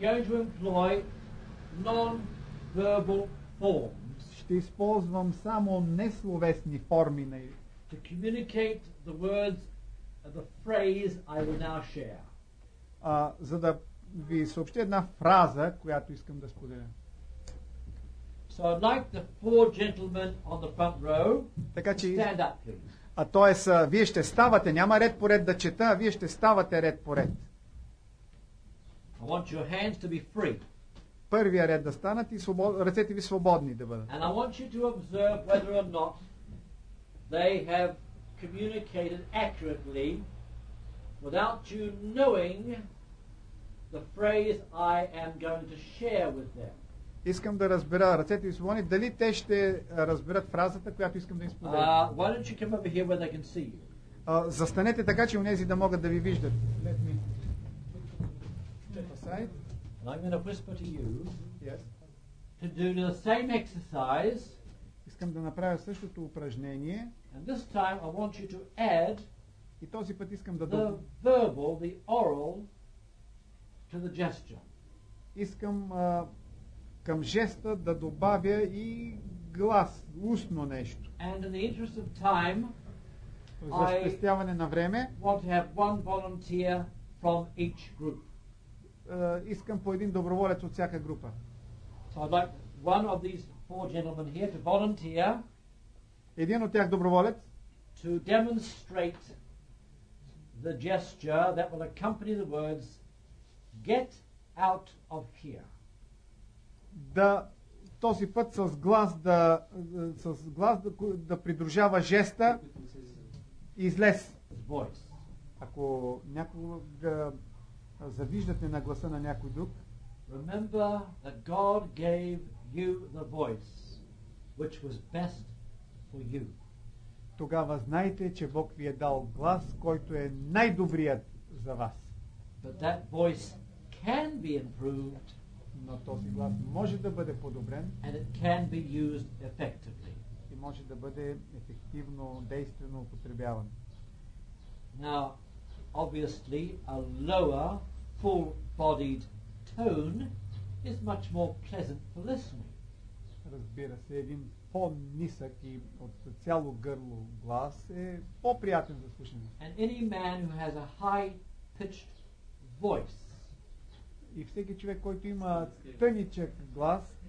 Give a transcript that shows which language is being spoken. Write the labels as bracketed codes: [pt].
[en] And you're going to employ non-verbal forms. [bg] Ще използвам само несловесни форми на [en] to communicate the words of the phrase I will now share. [bg] За да ви съобщи една фраза, която искам да споделя. [en] So I'd like the four gentlemen on the front row to stand up, please. [bg] А т.е. вие ще ставате, няма ред по ред да чета, а вие ще ставате ред по ред. [en] I want your hands to be free. [bg] Първия ред да станат и ръцете ви свободни да бъдат. [en] And I want you to observe whether or not they have communicated accurately without you knowing the phrase I am going to share with them. [bg] Искам да разбера ръцете ви свободни, дали те ще разберат фразата, която искам да им споделя. [en] Why don't you come over here where they can see you? [bg] Застанете така, че онези да могат да ви виждат. [en] Let me step aside. And I'm going to whisper to you. Yes. To do the same exercise. [bg] Искам да направя същото упражнение. [en] And this time I want you to add. [bg] И този път искам да [en] the verbal, the oral to the gesture. [bg] Искам към жеста да добавя и глас, устно нещо. [en] And in the interest of time, [bg] за спестяване на време, [en] want to have one volunteer from each group. [bg] Искам по един доброволец от всяка група. [en] So I'd like one of these four gentlemen here to volunteer. [bg] Един от тях доброволец. [en] to demonstrate the gesture that will accompany the words get out of here. [bg] Да, този път с глас да, с глас да, да придружава жеста излез. Ако някога завиждате на гласа на някой друг, [en] remember that God gave you the voice which was best for you. [bg] Тогава знайте, че Бог ви е дал глас, който е най-добрият за вас. [en] But that voice can be improved, [bg] но този глас може да бъде подобрен, [en] and it can be used effectively. [bg] И може да бъде ефективно, действено употребяван. [en] Now, obviously, a lower, full-bodied tone is much more pleasant for listening. [bg] Разбира се, един по-нисък и от цяло гърло глас е по-приятен за слушане. [en] And any man who has a high-pitched voice, [bg] и всеки човек, който има тъничък глас,